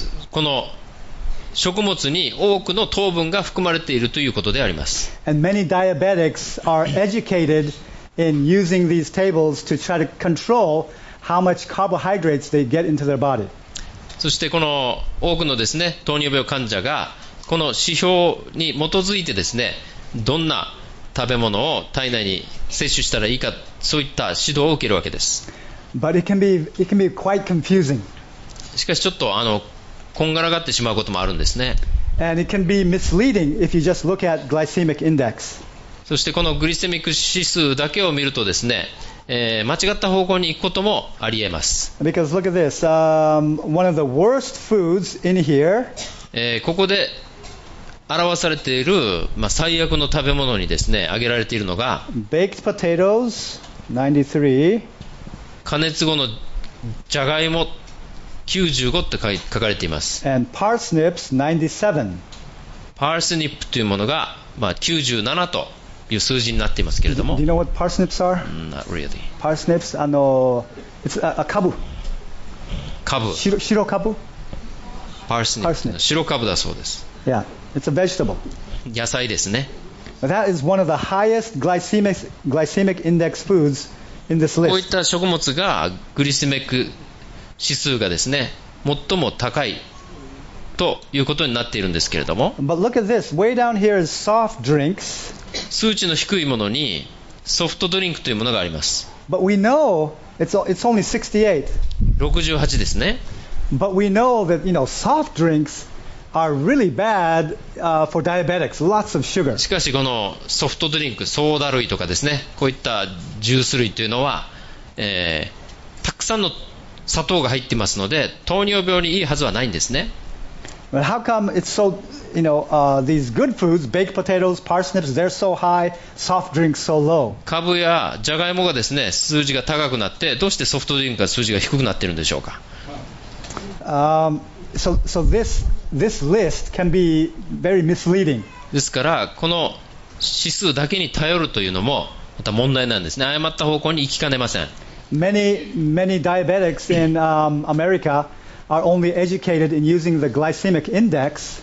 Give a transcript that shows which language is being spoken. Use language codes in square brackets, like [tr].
[ja] この食物に多くの糖分が含まれているということであります。 [en] And many diabetics are educated in using these tables to try to control how much carbohydrates they get into their body. [ja] そしてこの多くのですね、糖尿病患者がこの指標に基づいてですね、どんな食べ物を体内に摂取したらいいか、そういった指導を受けるわけです。 [en] But it can be quite confusing. [ja] しかしちょっとこんがらがってしまうこともあるんですね。 [en] And it can be misleading if you just look at glycemic index. [ja] そしてこのグリセミック指数だけを見るとですね、間違った方向に行くこともあり得ます。 [en] Because look at this, one of the worst foods in here. [ja] ここで表されている、まあ、最悪の食べ物にですね、挙げられているのが [en] Baked potatoes, 93. [ja] 加熱後のジャガイモ95って書かれています。 [en] And parsnips, 97. [ja] パースニップというものが、まあ、97という数字になっていますけれども。 [en] Do you know what parsnips are? Not really. Parsnips, it's a カブ。 [ja] カブ。白カブ。白カブだそうです。 [en] Yeah, it's a vegetable. [ja] 野菜ですね。 [en] That is one of the highest glycemic index foods in this list. [ja] こういった食物がグリセミック指数がですね、最も高いということになっているんですけれども。 [en] But look at this. Way down here is soft drinks. [ja] 数値の低いものにソフトドリンクというものがあります。 [en] But we know it's only 68. [ja] 68ですね。 [en] But we know that, soft drinks are really bad, for diabetics. Lots of sugar. [ja] しかしこのソフトドリンク、ソーダ類とかですね、こういったジュース類というのは、たくくさんの砂糖が入ってますので糖尿病にいいはずはないんですね。 [en] But how come it's so, you know, these good foods, baked potatoes, parsnips, they're so high, soft drinks so low? [ja] カブやジャガイモがですね、数字が高くなって、どうしてソフトドリンクが数字が低くなっているんでしょうか。 [en] So this list can be very misleading. [ja] ですから、この指数だけに頼るというのもまた問題なんですね。誤った方向に行きかねません。 [en] Many diabetics in America are only educated in using the glycemic index.